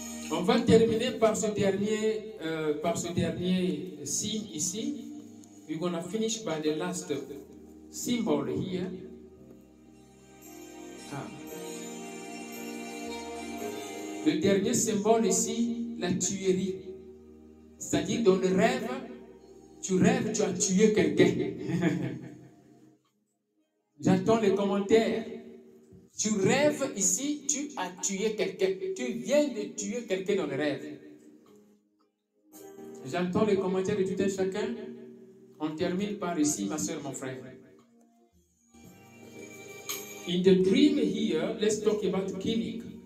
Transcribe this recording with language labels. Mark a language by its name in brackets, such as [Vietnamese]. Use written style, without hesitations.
[French] On va terminer par ce dernier signe ici. [English] We're going to finish by the last symbol here. [French] Le dernier symbole ici, la tuerie. C'est-à-dire dans le rêve, tu rêves, tu as tué quelqu'un. J'attends les commentaires. Tu rêves ici, tu as tué quelqu'un. Tu viens de tuer quelqu'un dans le rêve. J'entends les commentaires de tout un chacun. On termine par ici, ma soeur, mon frère. [English] In the dream here, let's talk about killing.